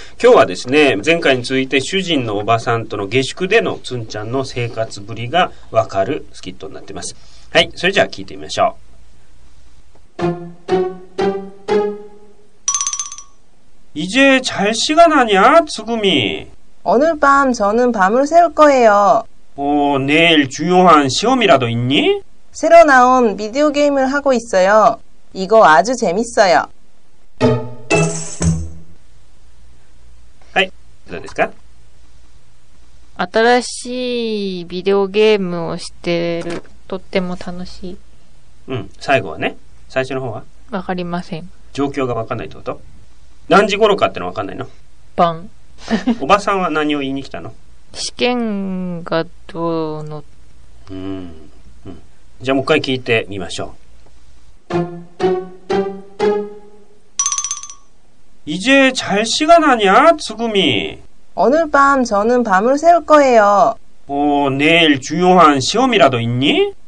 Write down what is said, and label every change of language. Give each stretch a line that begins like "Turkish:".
Japanese: 今日はですね、前回に続いて主人のおばさんとの下宿でのつんちゃんの生活ぶりがわかるスキットになってます。はい、それじゃあ聞いてみましょう。
Korean: 이제잘시간아니야つぐみ。 오늘밤저는밤을새울거예요。 오내일중요한시험이라도있니 새로나온비디오게임을하고있어요이거아주재밌어요
Japanese: はい、どうですか。新しいビデオゲームをしてる、とっても楽しい。うん、最後はね、最初の方はわかりません。状況がわかんないってこと？何時頃かってのわかんないの？晩おばさんは何を言いに来たの？試験がどうの、じゃあもう一回聞いてみましょう。
Korean: 이제잘시간아니야つぐみ。 오늘밤저는밤을새울거예요。 오내일중요한시험이라도있니